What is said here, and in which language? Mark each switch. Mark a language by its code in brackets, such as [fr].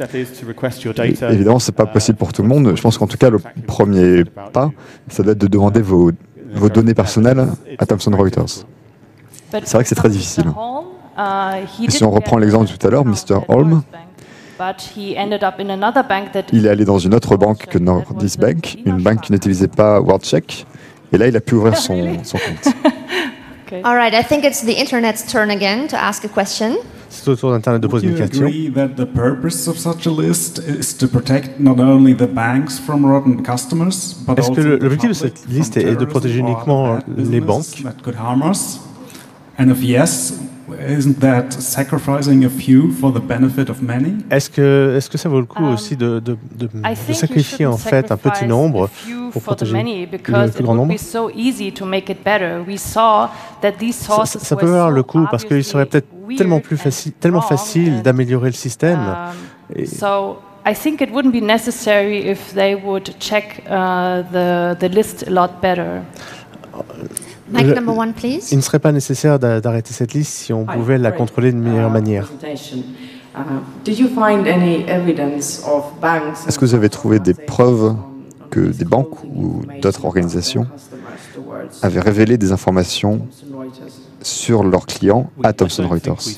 [fr] Évidemment, ce n'est pas possible pour tout le monde. Je pense qu'en tout cas, le premier pas, ça doit être de demander vos données personnelles à Thomson Reuters. C'est vrai que c'est très difficile. Et si on reprend l'exemple de tout à l'heure, Mr. Holm, il est allé dans une autre banque que Nordis Bank, une banque qui n'utilisait pas WorldCheck, et là, il a pu ouvrir son compte. [en] Okay. All right, I think it's the internet's turn again to ask a question. [fr] C'est au tour d'Internet de poser une question. [en] Would you agree that the purpose of such a list is to protect not only the banks from rotten customers, but also the public? [fr] Est-ce que l'objectif de cette liste est de protéger uniquement les banques? [en] That could harm us? And if yes, isn't that sacrificing a few for the benefit of many? [fr] Est-ce que ça vaut le coup aussi de sacrifier en fait un petit nombre pour protéger le plus grand nombre? Ça peut valoir le coup parce qu'il serait peut-être tellement facile d'améliorer le système. [en] I think it wouldn't be necessary if they would check the list a lot better. Mic number one, please. [fr] Il ne serait pas nécessaire d'arrêter cette liste si on pouvait la contrôler de meilleure manière. Est-ce que vous avez trouvé des preuves que des banques ou d'autres organisations avaient révélé des informations sur leurs clients à Thomson Reuters?